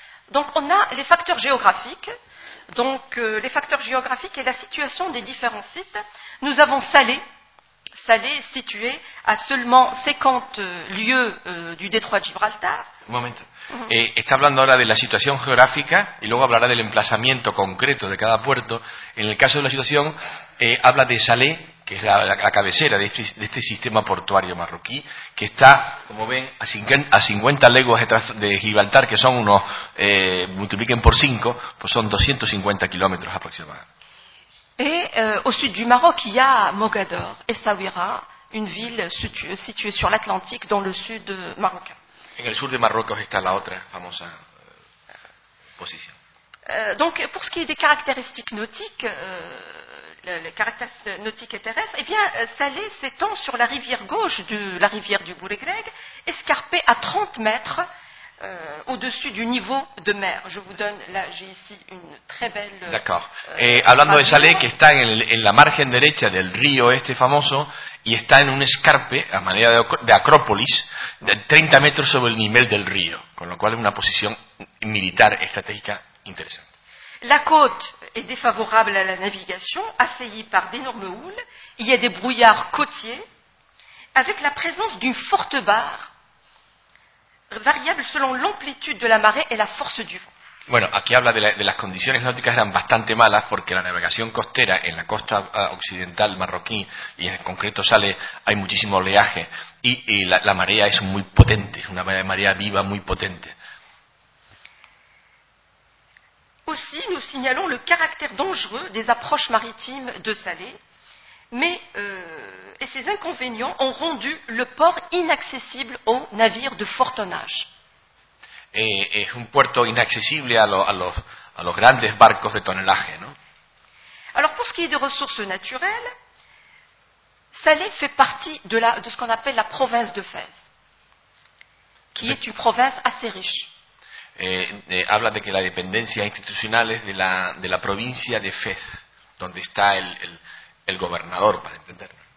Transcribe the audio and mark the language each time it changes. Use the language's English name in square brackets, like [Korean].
[French] Donc, on a les facteurs géographiques. Donc, les facteurs géographiques et la situation des différents sites. Nous avons Salé. Salé est situé à seulement 50 lieues du détroit de Gibraltar. [Spanish] Un momento. Está hablando ahora de la situación geográfica y luego hablará del emplazamiento concreto de cada puerto. En el caso de la situación, habla de Salé, que es la cabecera de este sistema portuario marroquí, que está, como ven, a 50 leguas de Gibraltar, que son unos, multipliquen por 5, pues son 250 kilómetros aproximadamente. [French] Et au sud du Maroc, il y a Mogador, Essaouira, une ville située sur l'Atlantique, dans le sud marocain. [Spanish] En el sur de Marruecos está la otra famosa posición. [French] Donc, pour ce qui est des caractéristiques nautiques, les caractéristiques nautiques et terrestres, eh bien, Salé s'étend sur la rivière gauche de la rivière du Bouregreg, escarpée à 30 mètres au-dessus du niveau de mer. Je vous donne, là, j'ai ici une très belle... D'accord. [Spanish] Hablando de Salé, que está en la margen derecha del río este famoso, y está en un escarpe, a manera de acrópolis, de 30 metros sobre el nivel del río, con lo cual es una posición militar estratégica interesante. [French] La côte est défavorable à la navigation, assaillie par d'énormes houles. Il y a des brouillards côtiers, avec la présence d'une forte barre, variable selon l'amplitude de la marée et la force du vent. [Spanish] Bueno, aquí habla de las condiciones náuticas eran bastante malas, porque la navegación costera en la costa occidental marroquí, y en concreto Salé, hay muchísimo oleaje, y la marea es muy potente, es una marea viva muy potente. [French] Aussi, nous signalons le caractère dangereux des approches maritimes de Salé, mais et ces inconvénients ont rendu le port inaccessible aux navires de fort tonnage. [Spanish] Es un puerto inaccesible a los grandes barcos de tonelaje, ¿no? [French] Alors, pour ce qui est des ressources naturelles, Salé fait partie de ce qu'on appelle la province de Fès, qui est une province assez riche. [Spanish] Habla de que las dependencias institucionales de la provincia de Fez, donde está el gobernador, para entender.